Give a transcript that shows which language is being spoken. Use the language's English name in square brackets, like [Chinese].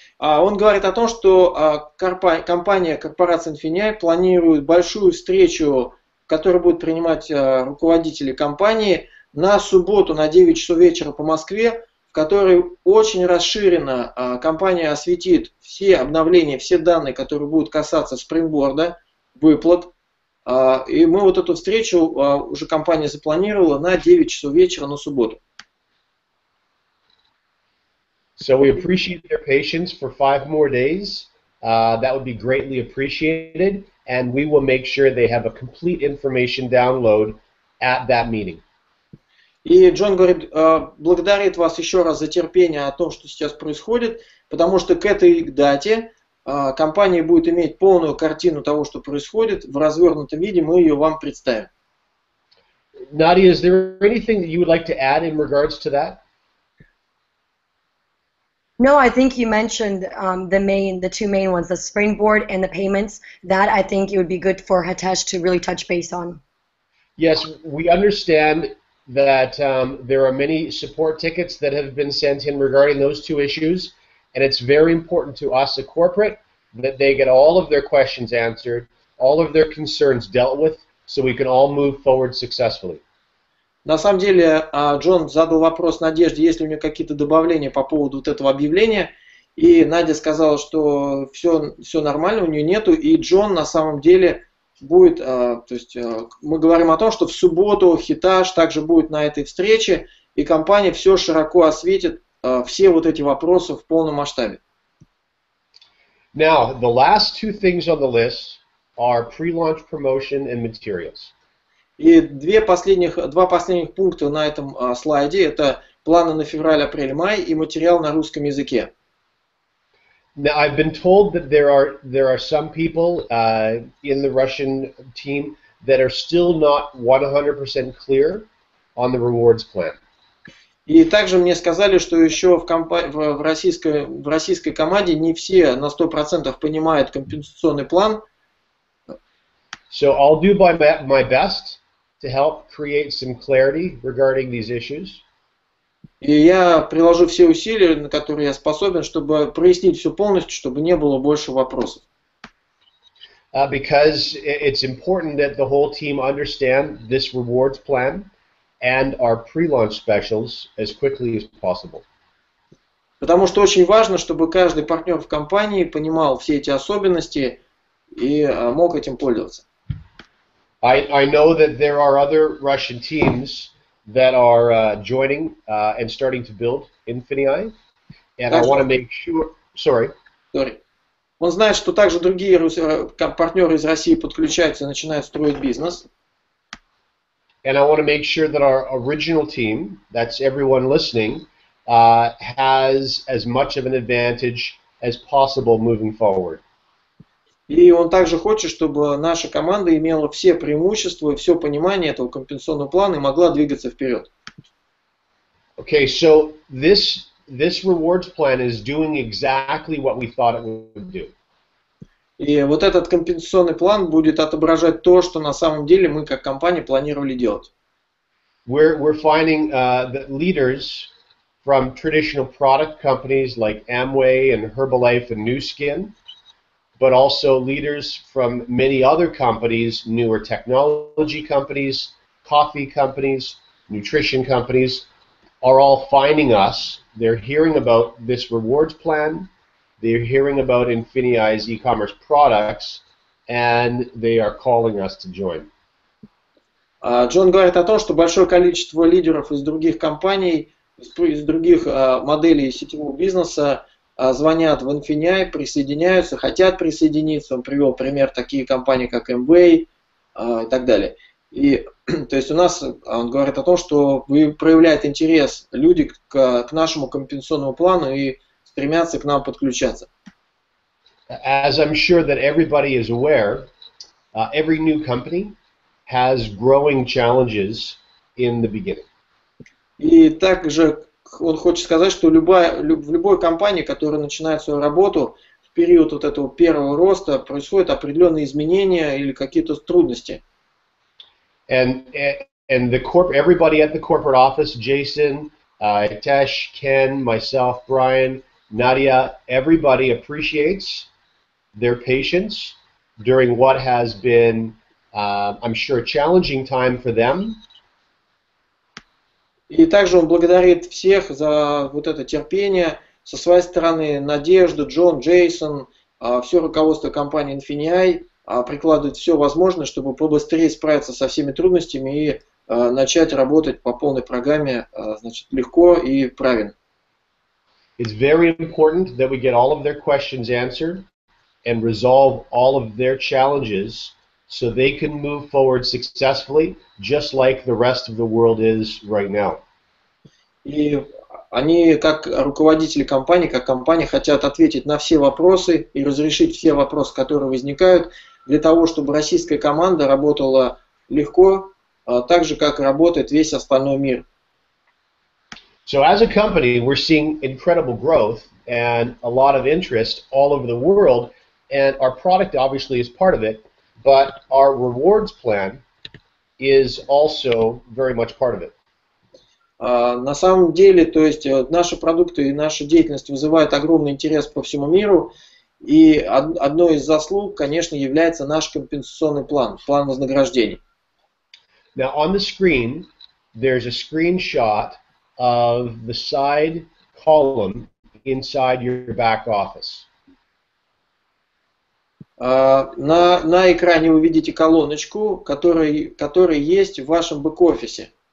[Russian] Он говорит о том, что корпорация Infinii планирует большую встречу, которую будут принимать руководители компании, на субботу на 9 часов вечера по Москве, в которой очень расширенно компания осветит все обновления, все данные, которые будут касаться спрингборда, выплат. И мы вот эту встречу уже компания запланировала на 9 часов вечера на субботу. [English] So we appreciate their patience for 5 more days. That would be greatly appreciated, and we will make sure they have a complete information download at that meeting. [Russian] И Джон говорит, благодарит вас еще раз за терпение о том, что сейчас происходит, потому что к этой дате компания будет иметь полную картину того, что происходит, в развернутом виде мы ее вам представим. [English] Nadia, is there anything that you would like to add in regards to that? No, I think you mentioned the two main ones, the Springboard and the payments. That I think it would be good for Hitesh to really touch base on. Yes, we understand that there are many support tickets that have been sent in regarding those two issues, and it's very important to us, the corporate, that they get all of their questions answered, all of their concerns dealt with, so we can all move forward successfully. [Russian] На самом деле, Джон задал вопрос Надежде, есть ли у нее какие-то добавления по поводу вот этого объявления, и Надя сказала, что все нормально, у нее нету, и Джон на самом деле будет, то есть мы говорим о том, что в субботу Hitesh также будет на этой встрече, и компания все широко осветит все вот эти вопросы в полном масштабе. [English] Now, the last two things on the list are pre-launch promotion and materials. [Russian] И два последних пункта на этом слайде – это планы на февраль, апрель, май и материал на русском языке. [English] Now, I've been told that there are some people in the Russian team that are still not 100% clear on the rewards plan. [Russian] И также мне сказали, что еще в российской команде не все на 100% понимают компенсационный план. [English] So I'll do my best to help create some clarity regarding these issues. [Russian] И я приложу все усилия, на которые я способен, чтобы прояснить все полностью, чтобы не было больше вопросов. [English] Because it's important that the whole team understand this rewards plan and our pre-launch specials as quickly as possible. [Russian] Потому что очень важно, чтобы каждый партнер в компании понимал все эти особенности и мог этим пользоваться. [English] I know that there are other Russian teams that are joining and starting to build Infinii, and I want to make sure. Sorry. [Russian] Он знает, что также другие партнеры из России подключаются и начинают строить бизнес. [English] And I want to make sure that our original team, that's everyone listening, has as much of an advantage as possible moving forward. [Russian] И он также хочет, чтобы наша команда имела все преимущества и все понимание этого компенсационного плана и могла двигаться вперед. [English] Okay, so this rewards plan is doing exactly what we thought it would do. [Russian] И вот этот компенсационный план будет отображать то, что на самом деле мы как компания планировали делать. [English] We're finding that leaders from traditional product companies like Amway and Herbalife and Nu Skin, but also leaders from many other companies, newer technology companies, coffee companies, nutrition companies, are all finding us. They're hearing about this rewards plan, they're hearing about Infinii's e-commerce products, and they are calling us to join. [Russian] Джон говорит о том, что большое количество лидеров из других компаний, из других моделей сетевого бизнеса звонят в Infinii, присоединяются, хотят присоединиться. Он привел пример такие компании, как Amway и так далее. И то есть у нас, он говорит о том, что проявляет интерес люди к нашему компенсационному плану и стремятся к нам подключаться. [English] As I'm sure that everybody is aware, every new company has growing challenges in the beginning. [Russian] И также он хочет сказать, что в любой компании, которая начинает свою работу, в период вот этого первого роста происходят определенные изменения или какие-то трудности. [English] And everybody at the corporate office, Jason, Hitesh, Ken, myself, Brian, Nadia, everybody appreciates their patience during what has been, I'm sure, a challenging time for them. [Russian] И также он благодарит всех за вот это терпение. Со своей стороны, Надежда, Джон, Джейсон, все руководство компании Infinii прикладывает все возможное, чтобы побыстрее справиться со всеми трудностями и начать работать по полной программе, значит, легко и правильно. [English] It's very important that we get all of their questions answered and resolve all of their challenges so they can move forward successfully, just like the rest of the world is right now. [Russian] И они как руководители компании, как компания хотят ответить на все вопросы и разрешить все вопросы, которые возникают, для того, чтобы российская команда работала легко, так же, как работает весь остальной мир. [English] So as a company, we're seeing incredible growth and a lot of interest all over the world, and our product obviously is part of it, but our rewards plan is also very much part of it. [Russian] На самом деле, то есть наши продукты и наша деятельность вызывают огромный интерес по всему миру, и одной из заслуг, конечно, является наш компенсационный план, план вознаграждений. [English] Now on the screen, there's a screenshot of the side column inside your back office. [Russian] На экране вы видите колоночку, которая есть в вашем бэк-офисе.